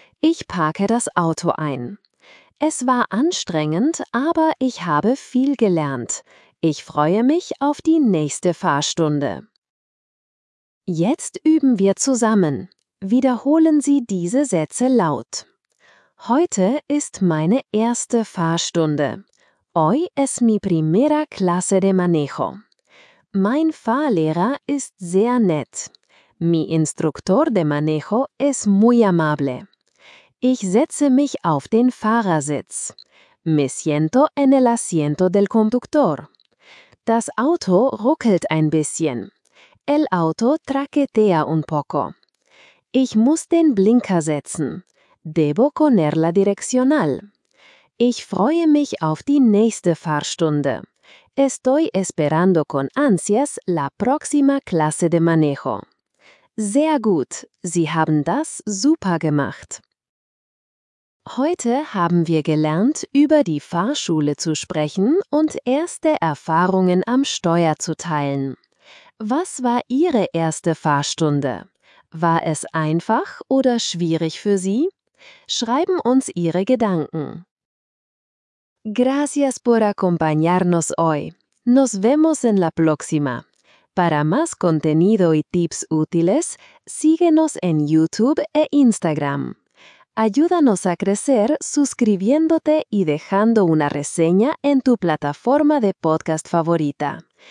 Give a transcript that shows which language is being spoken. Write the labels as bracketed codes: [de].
[de] Ich parke das Auto ein. Es war anstrengend, aber ich habe viel gelernt. Ich freue mich auf die nächste Fahrstunde. Jetzt üben wir zusammen. Wiederholen Sie diese Sätze laut. Heute ist meine erste Fahrstunde. [es] Hoy es mi primera clase de manejo. [de] Mein Fahrlehrer ist sehr nett. [es] Mi instructor de manejo es muy amable. [de] Ich setze mich auf den Fahrersitz. [es] Me siento en el asiento del conductor. [de] Das Auto ruckelt ein bisschen. [es] El auto traquetea un poco. [de] Ich muss den Blinker setzen. [es] Debo poner la direccional. [de] Ich freue mich auf die nächste Fahrstunde. [es] Estoy esperando con ansias la próxima clase de manejo. [de] Sehr gut, Sie haben das super gemacht. Heute haben wir gelernt, über die Fahrschule zu sprechen und erste Erfahrungen am Steuer zu teilen. Was war Ihre erste Fahrstunde? War es einfach oder schwierig für Sie? Schreiben uns Ihre Gedanken. [es] Gracias por acompañarnos hoy. Nos vemos en la próxima. Para más contenido y tips útiles, síguenos en YouTube e Instagram. Ayúdanos a crecer suscribiéndote y dejando una reseña en tu plataforma de podcast favorita.